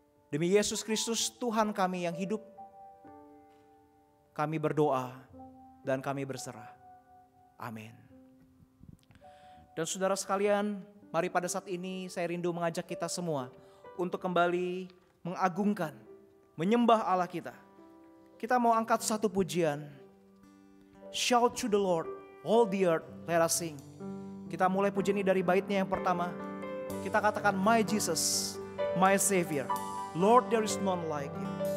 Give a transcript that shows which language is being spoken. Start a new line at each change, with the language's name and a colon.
Indonesian: Demi Yesus Kristus Tuhan kami yang hidup, kami berdoa dan kami berserah. Amin. Dan saudara sekalian, mari pada saat ini saya rindu mengajak kita semua untuk kembali mengagungkan, menyembah Allah kita. Kita mau angkat satu pujian.
English: Shout to the Lord, all the earth, let us sing.
Indonesian: Kita mulai pujian ini dari baitnya yang pertama. Kita katakan,
English: my Jesus, my Savior, Lord, there is none like you.